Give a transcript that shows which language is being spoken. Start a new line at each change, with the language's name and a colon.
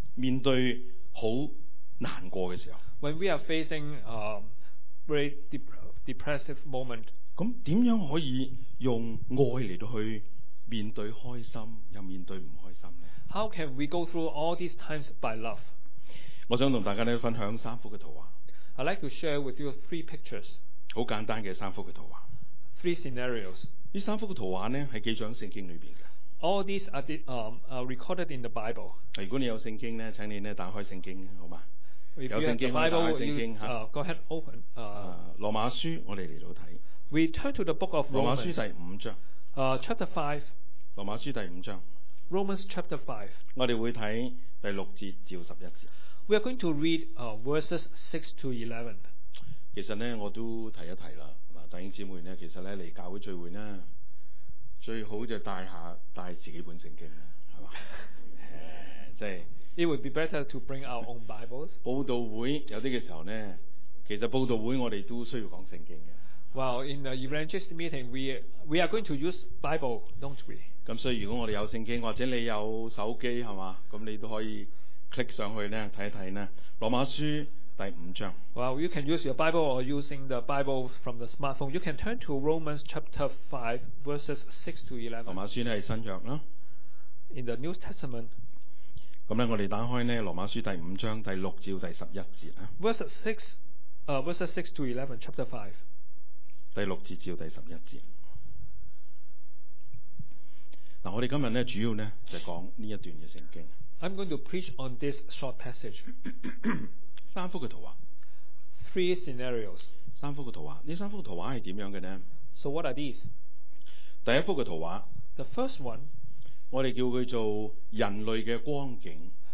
Cantonese: 面对好难过嘅时候
English: ，When we are facing a very depressive moment。
Cantonese: 咁点样可以用爱嚟到去面对开心，又面对唔开心呢？
English: How can we go through all these times by love？
Cantonese: 我想同大家咧分享三幅嘅图画。
English: I'd like to share with you three pictures。
Cantonese: 好简单嘅三幅嘅图画。
English: Three scenarios。
Cantonese: 呢三幅嘅图画咧系记载喺圣经里边嘅。
English: All these are recorded in the Bible。
Cantonese: 如果你有圣经咧，请你咧打开圣经好吗？有圣经可以打开圣经吓。
English: Go ahead open。
Cantonese: 罗马书，我哋嚟到睇。
English: We turn to the book of Romans。
Cantonese: 罗马书第五章。
English: Chapter five。
Cantonese: 罗马书第五章。
English: Romans chapter five，
Cantonese: 我哋会睇第六节至十一节。
English: We are going to read verses 6-11。
Cantonese: 其实咧，我都提一提啦，嗱，弟兄姊妹咧，其实咧嚟教会聚会咧，最好就带自己本圣经啦，系嘛？即系。
English: It would be better to bring our own Bibles。
Cantonese: 报道会有啲嘅时候咧，其实报道会我哋都需要讲圣经嘅。
English: Well, in the evangelist meeting, we are going to use Bible, don't we?
Cantonese: 咁所以如果我哋有圣经，或者你有手机系嘛，咁你都可以 click 上去咧睇一睇咧。罗马书第五章。
English: Well, you can use your Bible or using the Bible from the smartphone. You can turn to Romans chapter 5 verses 6-11。
Cantonese: 罗马书咧系新约啦。
English: In the New Testament。
Cantonese: 咁咧，我哋打开咧罗马书第五章第六至第十一节啊。
English: Verses 6-11, chapter 5。
Cantonese: 第六节至第十一节，嗱，我哋今日咧主要咧就讲呢一段嘅圣经。
English: I'm going to preach on this short passage。
Cantonese: 三幅嘅图画
English: ，three scenarios。
Cantonese: 三幅嘅图画，呢三幅图画系点样嘅呢
English: ？So what are these？
Cantonese: 第一幅嘅图画
English: ，the first one，
Cantonese: 我哋叫佢做人类嘅光景。